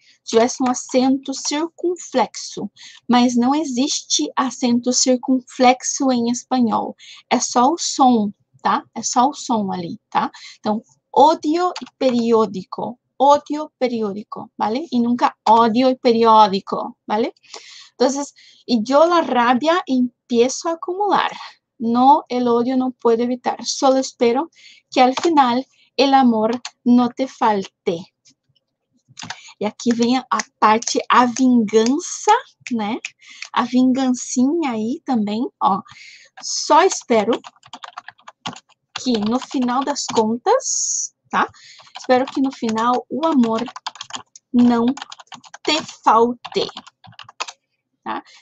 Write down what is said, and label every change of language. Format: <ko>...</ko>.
<pt>Tivesse um acento circunflexo. Mas não existe acento circunflexo em espanhol. É só o som, tá? É só o som ali, tá? Então, ódio e periódico. Ódio, periódico, vale? E nunca ódio e periódico, vale?</pt> <es>Entonces, y yo la rabia empiezo a acumular. No, el odio no puedo evitar. Solo espero que al final el amor no te falte.</es> <pt>E aqui vem a parte, a vingança, né? A vingancinha aí também, ó. Só espero que no final das contas, tá? Espero que no final o amor não te falte. Tá?</pt>